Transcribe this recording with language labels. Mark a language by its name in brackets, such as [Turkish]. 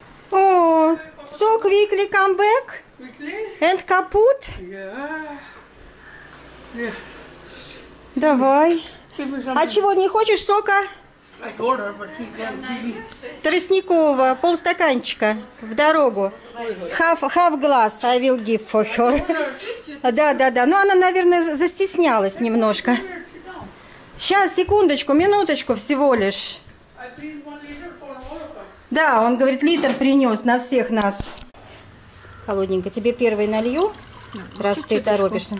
[English] О, so quickly come back and kaput. [Russian] Давай. А чего, не хочешь сока? Тростникового, полстаканчика в дорогу. [English] Half glass I will give for her. [Russian] Да. Ну, она, наверное, застеснялась немножко. Сейчас, секундочку, минуточку всего лишь. Да, он говорит, литр принес на всех нас. Холодненько. Тебе первый налью, раз ты торопишься.